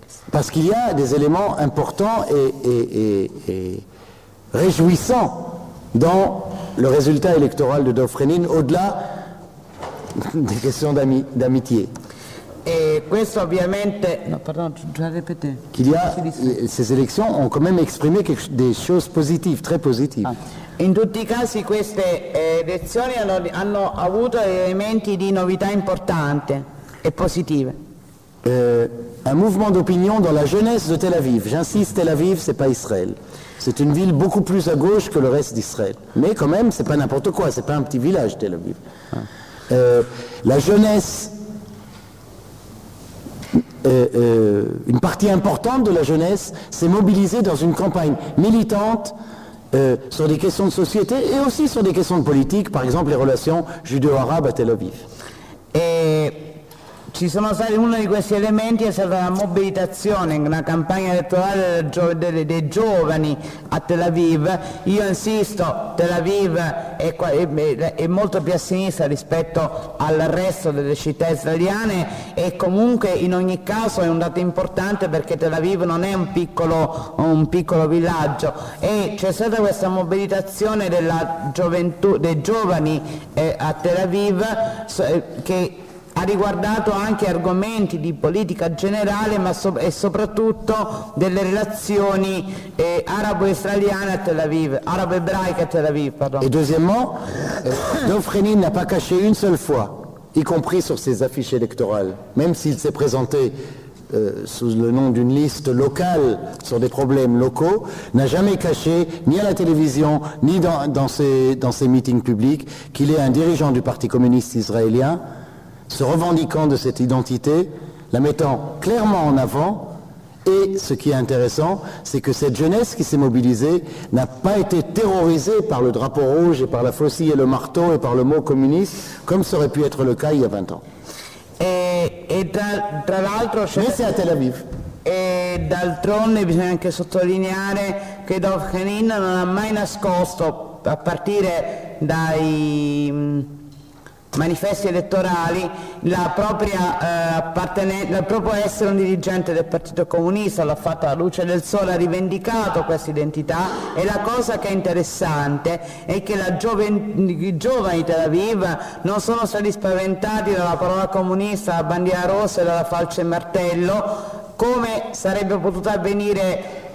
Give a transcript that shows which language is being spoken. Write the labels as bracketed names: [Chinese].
[French] Parce qu'il y a des éléments importants et réjouissants dans le résultat électoral de Dov Khenin, au-delà des questions d'amitié. [Italian] Et questo ovviamente. [French] Non, pardon, je vais répéter. Qu'il y a, ces élections ont quand même exprimé des choses positives, très positives. Ah. [Italian] In tutti i casi, queste elezioni hanno avuto elementi di novità importanti e positive. [French] Un mouvement d'opinion dans la jeunesse de Tel Aviv. J'insiste, Tel Aviv, c'est pas Israël. C'est une ville beaucoup plus à gauche que le reste d'Israël. Mais quand même, c'est pas n'importe quoi, c'est pas un petit village, Tel Aviv. La jeunesse, une partie importante de la jeunesse s'est mobilisée dans une campagne militante sur des questions de société et aussi sur des questions de politique, par exemple les relations judéo-arabes à Tel Aviv. [Italian] Ci sono stati uno di questi elementi è stata la mobilitazione, una campagna elettorale dei giovani a Tel Aviv. Io insisto, Tel Aviv è molto più a sinistra rispetto al resto delle città israeliane e comunque in ogni caso è un dato importante perché Tel Aviv non è un piccolo villaggio e c'è stata questa mobilitazione della gioventù, dei giovani a Tel Aviv che ha riguardato anche argomenti di politica generale ma e soprattutto delle relazioni arabo-israeliane a Tel Aviv, arabo-ebraiche a Tel Aviv, pardon. [French] Et deuxièmement, Dov Khenin n'a pas caché une seule fois, y compris sur ses affiches électorales, même s'il s'est présenté sous le nom d'une liste locale sur des problèmes locaux, n'a jamais caché, ni à la télévision, ni dans ses meetings publics, qu'il est un dirigeant du Parti communiste israélien, se revendiquant de cette identité, la mettant clairement en avant, et ce qui est intéressant, c'est que cette jeunesse qui s'est mobilisée n'a pas été terrorisée par le drapeau rouge et par la faucille et le marteau et par le mot communiste, comme ça aurait pu être le cas il y a 20 ans. [Italian] Et tra l'altro, [French] mais c'est à Tel Aviv. [Italian] E d'altronde bisogna anche sottolineare che Dov Khenin non ha mai nascosto, a partire dai manifesti elettorali, la propria appartenenza, il proprio essere un dirigente del Partito Comunista, l'ha fatto alla luce del sole, ha rivendicato questa identità e la cosa che è interessante è che i giovani Tel Aviv non sono stati spaventati dalla parola comunista, dalla bandiera rossa e dalla falce e martello, come sarebbe potuto avvenire